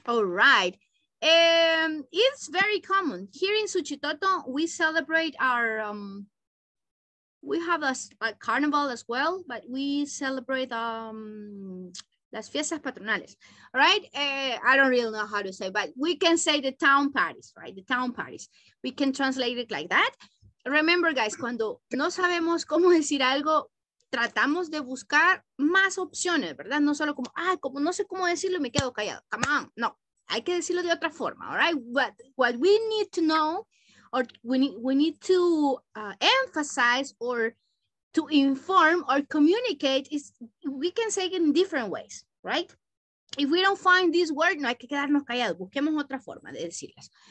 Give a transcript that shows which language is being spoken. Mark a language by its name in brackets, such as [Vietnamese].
[English] All right. It's very common. Here in Suchitoto, we celebrate our, we have a carnival as well, but we celebrate [Spanish] las fiestas patronales. [English] All right. I don't really know how to say, but we can say the town parties, right? The town parties. We can translate it like that. Remember, guys, [Spanish] cuando no sabemos cómo decir algo, tratamos de buscar más opciones, ¿verdad? No solo como, ah, como no sé cómo decirlo, me quedo callado. [English] Come on. [Spanish] No, hay que decirlo de otra forma, [English] all right? But what we need to know, or we need to emphasize, or to inform, or communicate, is we can say it in different ways, right? If we don't find this word, [Spanish] no hay que quedarnos callados. Busquemos otra forma de decirlas.